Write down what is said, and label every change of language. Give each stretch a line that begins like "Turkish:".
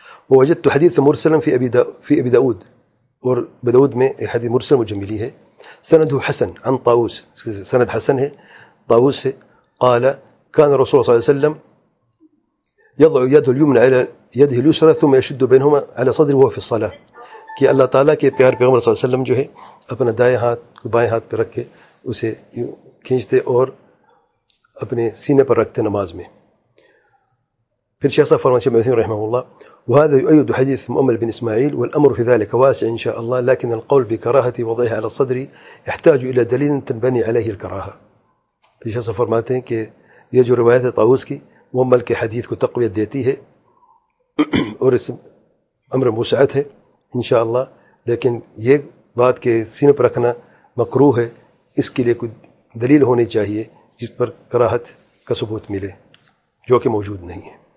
Arabic: وجدت حديث مرسلا في ابي داود,
Urdu: اور داود میں ایک حدیث مرسل مجھے ملی ہے,
Arabic: سنده حسن عن طاووس,
Urdu: سند حسن ہے طاووس سے,
Arabic: قال كان الرسول صلى الله عليه وسلم يضع يده اليمنى على يده اليسرى ثم يشد بينهما على صدره وهو في الصلاه,
Urdu: کہ اللہ تعالیٰ کے پیارے پیغمبر صلی اللہ علیہ وسلم جو ہے اپنا دائیں ہاتھ کو بائیں ہاتھ پہ رکھ کے اسے کھینچتے اور اپنے سینے پر رکھتے نماز میں. پھر شیخ صاحب فرماتے ہیں مثنی رحمہ اللہ,
Arabic: وهذا يؤيد حديث مؤمل بن اسماعيل والامر في ذلك واسع ان شاء الله, لكن القول بكراهه وضعها على الصدر يحتاج الى دليل تنبني عليه الكراهه.
Urdu: پھر شیخ صاحب فرماتے ہیں کہ یہ جو روایت طاووس کی مؤمل کے حدیث کو تقویت دیتی ہے اور اس امر موسعت ہے انشاءاللہ, لیکن یہ بات کہ سینے پر رکھنا مکروہ ہے اس کے لیے کوئی دلیل ہونی چاہیے جس پر کراہت کا ثبوت ملے, جو کہ موجود نہیں ہے.